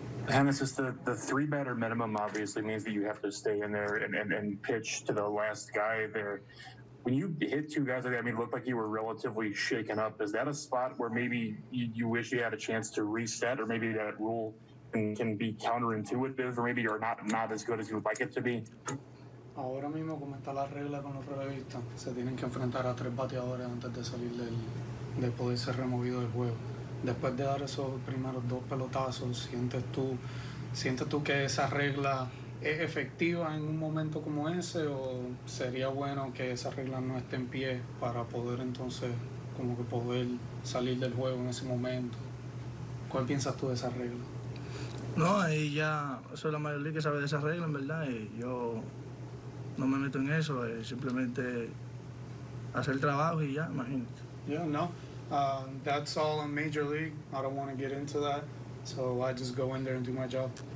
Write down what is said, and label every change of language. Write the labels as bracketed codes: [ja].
[en] Hennessy, the three-batter minimum obviously means that you have to stay in there and pitch to the last guy there. When you hit two guys, I mean, it looked like you were relatively shaken up. Is that a spot where maybe you wish you had a chance to reset, or maybe that rule can be counterintuitive, or maybe you're not as good as you would like it to be? [es] Ahora mismo, como está la regla con los relevistas, se tienen que enfrentar a tres bateadores antes de salir de poder ser removido del juego. Después de dar esos primeros dos pelotazos, ¿sientes tú que esa regla es efectiva en un momento como ese, o sería bueno que esa regla no esté en pie para poder entonces como que poder salir del juego en ese momento? ¿Cuál piensas tú de esa regla? No, ahí ya soy la mayoría que sabe de esa regla, en verdad, y yo no me meto en eso, simplemente hacer el trabajo y ya, imagínate. [en] Yeah, no. That's all in Major League. I don't want to get into that. So I just go in there and do my job.